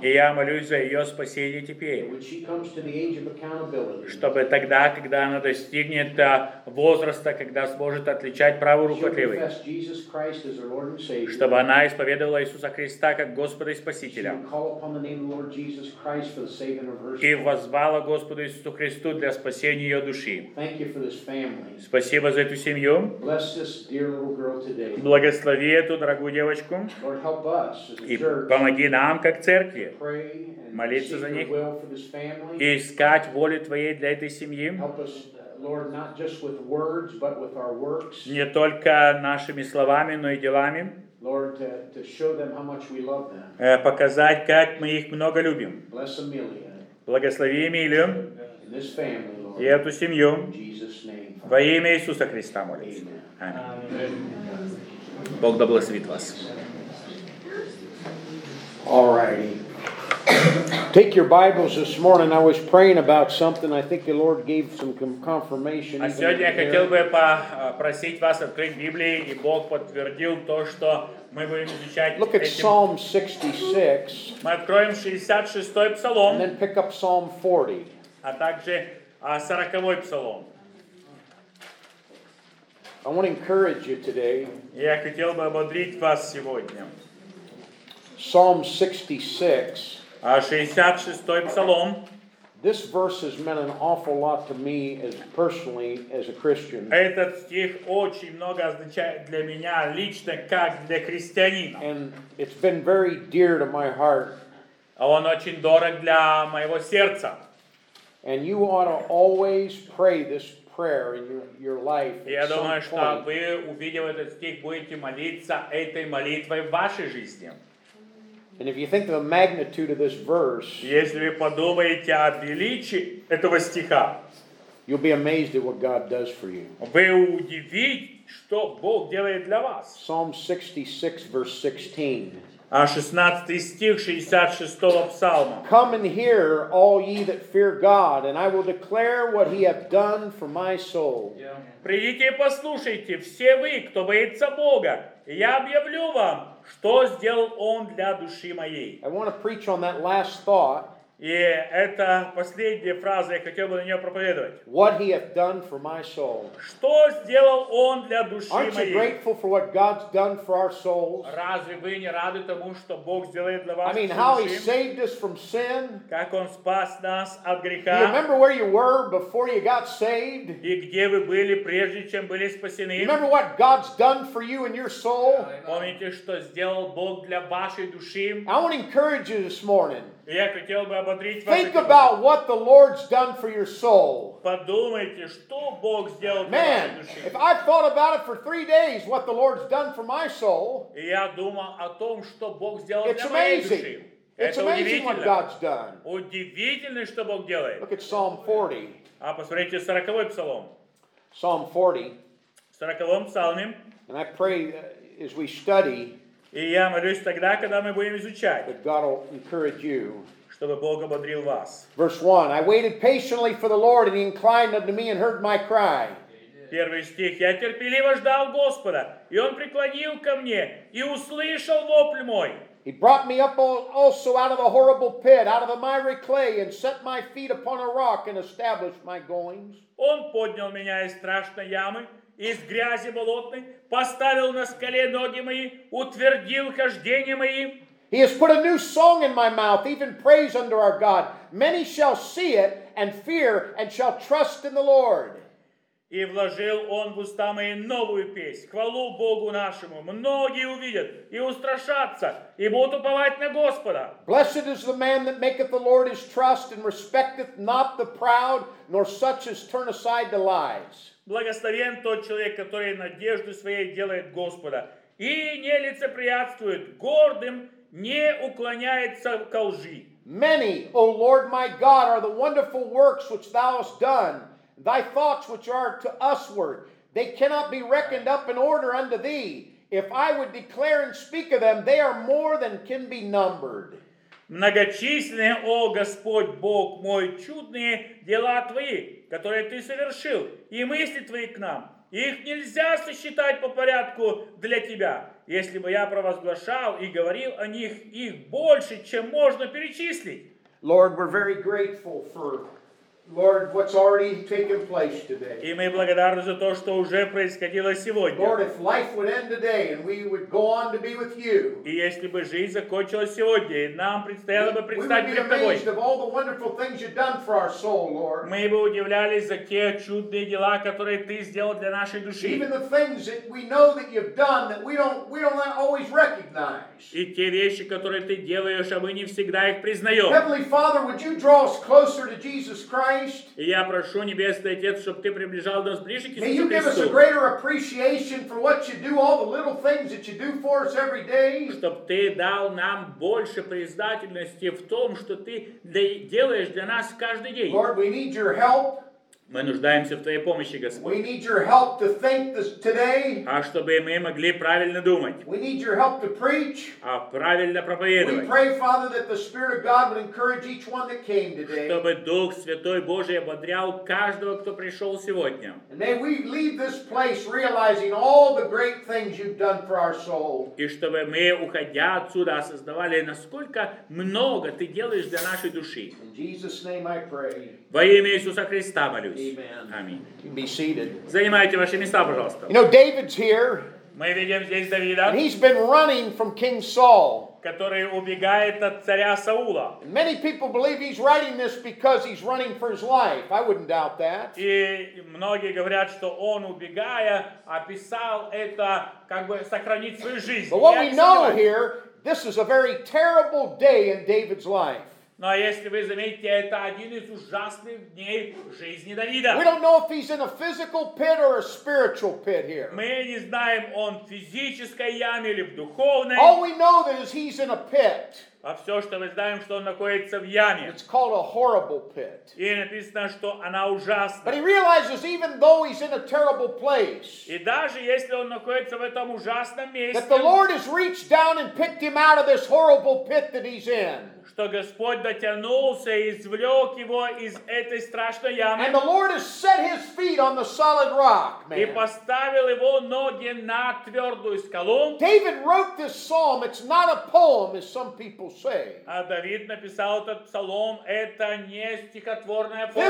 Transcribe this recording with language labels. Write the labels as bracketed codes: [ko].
[ru] И я молюсь за ее спасение теперь. [en] When she comes to the age of accountability, [ru] чтобы тогда, когда она достигнет возраста, когда сможет отличать правую руку от левой. [en] She'll confess Jesus Christ as her Lord and Savior. [ru] Чтобы она исповедовала Иисуса Христа как Господа и Спасителя. [en] She'll call upon the name of the Lord Jesus Christ for the saving of her soul. [ru] И воззвала Господу Иисусу Христу для спасения ее души. [en] Thank you for this family. [ru] Спасибо за эту семью. [en] Bless this dear little girl today. [ru] Благослови эту дорогую девочку. девушкам. И помоги нам, как церкви, молиться за них и искать волю Твоей для этой семьи. [en] Lord, not just with words, but with our works. [ru] Не только нашими словами, но и делами. [en] Lord, to show them how much we love them. [ru] Показать, как мы их много любим. [en] Bless Amelia. [ru] Благослови Эмилию. [en] And this family, Lord. [ru] И эту семью. In Jesus' name. Во имя Иисуса Христа молимся. Аминь. Бог да благословит вас. [en] All righty. Take your Bibles this morning. I was praying about something. I think the Lord gave some confirmation. [ru] А сегодня я хотел бы попросить вас открыть Библию, и Бог подтвердил то, что мы будем изучать. [en] Look at Psalm 66. [ru] Мы откроем 66-й псалом. [en] And then pick up Psalm 40. [ru] А также 40-й псалом. [en] I want to encourage you today. [ru] Я хотел бы ободрить вас сегодня. [en] Psalm 66. [ru] А 66-й псалом. [en] This verse has meant an awful lot to me as personally as a Christian. [ru] Этот стих очень много означает для меня лично как для христианина. [en] And it's been very dear to my heart. [ru] Он очень дорог для моего сердца. [en] And you ought to always pray this prayer in your life. [ru] Я думаю, что вы, увидев этот стих, будете молиться этой молитвой в вашей жизни. [en] And if you think of the magnitude of this verse, [ru] если вы подумаете о величии этого стиха, [en] you'll be amazed at what God does for you. [ru] Вы удивитесь, что Бог делает для вас. [en] Psalm 66, verse 16. [ru] А 16 стих 66-го псалма. [en] Come and hear, all ye that fear God, and I will declare what he hath done for my soul. [ru] Придите и послушайте, все вы, кто боится Бога, я объявлю вам, что сделал он для души моей. [en] I want to preach on that last thought. [ru] И это последняя фраза, я хотел бы на нее проповедовать. [en] What he hath done for my soul. [ru] Что сделал он для души моей? [en] Aren't you grateful for what God's done for our souls? [ru] Разве вы не рады тому, что Бог сделает для вас? [en] I mean, how he saved us from sin. [ru] Как он спас нас от греха? [en] Do you remember where you were before you got saved? [ru] И где вы были прежде, чем были спасены? [en] Remember what God's done for you in your soul? [ru] Помните, что сделал Бог для вашей души? [en] I want to encourage you this morning. [ru] Я хотел бы ободрить вас. [en] Think about what the Lord's done for your soul. [ru] Подумайте, что Бог сделал для вашей души. [en] Man, if I thought about it for three days, what the Lord's done for my soul. [ru] Я думал о том, что Бог сделал для моей души. [en] It's amazing what God's done. [ru] Удивительно, что Бог делает. [en] Look at Psalm 40. [ru] А посмотрите 40-й псалом. [en] Psalm 40. [ru] В 40-м псалме. [en] And I pray as we study. [ru] И я молюсь тогда, когда мы будем изучать. [en] That God will encourage you. [ru] Чтобы Бог ободрил вас. [en] Verse 1. I waited patiently for the Lord, and he inclined unto me and heard my cry. [ru] Первый стих. Я терпеливо ждал Господа, и он преклонил ко мне, и услышал вопль мой. [en] He brought me up also out of a horrible pit, out of the miry clay, and set my feet upon a rock, and established my goings. [ru] Он поднял меня из страшной ямы, из грязи болотной, поставил на скале ноги мои, утвердил хождение мои. [en] He has put a new song in my mouth, even praise unto our God. Many shall see it and fear and shall trust in the Lord. [ru] И вложил он в уста мои новую песнь, хвалу Богу нашему. Многие увидят и устрашатся, и будут уповать на Господа. [en] Blessed is the man that maketh the Lord his trust and respecteth not the proud, nor such as turn aside to lies. [ru] Благословен тот человек, который надежду своей делает Господа, и не лицеприятствует гордым, не уклоняется ко лжи. [en] Many, O Lord my God, are the wonderful works which thou hast done, thy thoughts which are to usward. They cannot be reckoned up in order unto thee. If I would declare and speak of them, they are more than can be numbered. [ru] Многочисленные, о Господь Бог мой, чудные дела твои, которые ты совершил, и мысли твои к нам, их нельзя сосчитать по порядку для тебя. Если бы я провозглашал и говорил о них, их больше, чем можно перечислить. [en] Lord, we're very grateful for Lord, what's already taken place today? [ru] И мы благодарны за то, что уже происходило сегодня. [en] Lord, if life would end today and we would go on to be with you. [ru] И если бы жизнь закончилась сегодня, и нам предстояло бы предстать перед тобой. [en] We would be amazed of all the wonderful things you've done for our soul, Lord. [ru] Мы бы удивлялись за те чудные дела, которые ты сделал для нашей души. [en] Even the things that we know that you've done that we don't always recognize. [ru] И те вещи, которые ты делаешь, а мы не всегда их признаем. [en] Heavenly Father, would you draw us closer to Jesus Christ? [ru] И я прошу, Небесный Отец, чтобы Ты приближал нас ближе к Иисусу Христу. [en] May you give us a greater appreciation for what you do, all the little things that you do for us every day. [ru] Чтобы Ты дал нам больше признательности в том, что Ты делаешь для нас каждый день. [en] Lord, we need your help. [ru] Мы нуждаемся в Твоей помощи, Господь. [en] We need your help to think today. [ru] А чтобы мы могли правильно думать. [en] We need your help to preach. [ru] А правильно проповедовать. [en] We pray, Father, that the Spirit of God would encourage each one that came today. [ru] Чтобы Дух Святой Божий ободрял каждого, кто пришел сегодня. [en] And may we leave this place realizing all the great things you've done for our soul. [ru] И чтобы мы, уходя отсюда, осознавали, насколько много Ты делаешь для нашей души. [en] In Jesus' name I pray. [ru] Во имя Иисуса Христа молюсь. [en] Аминь. Be seated. [ru] Занимайте ваши места, пожалуйста. [en] You know, David's here. [ru] Мы видим здесь Давида. [en] And he's been running from King Saul. [ru] Который убегает от царя Саула. [en] Many people believe he's writing this because he's running for his life. I wouldn't doubt that. [ru] И многие говорят, что он, убегая, описал это, как бы сохранить свою жизнь. [en] But what we know here, this is a very terrible day in David's life. [ru] Но если вы заметите, это один из ужасных дней жизни Давида. [en] We don't know if he's in a physical pit or a spiritual pit here. [ru] Мы не знаем, он в физической яме или в духовной. [en] All we know that is he's in a pit. [ru] А все, что мы знаем, что он находится в яме. [en] It's called a horrible pit. [ru] И написано, что она ужасна. [en] But he realizes, even though he's in a terrible place, [ru] и даже если он находится в этом ужасном месте, [en] that the Lord has reached down and picked him out of this horrible pit that he's in. [ru] Что Господь дотянулся и извлек его из этой страшной ямы. [en] And the Lord has set his feet on the solid rock, man. [ru] И поставил его ноги на твердую скалу. [en] David wrote this psalm. It's not a poem, as some people say. [ru] А Давид написал этот псалом. Это не стихотворная форма.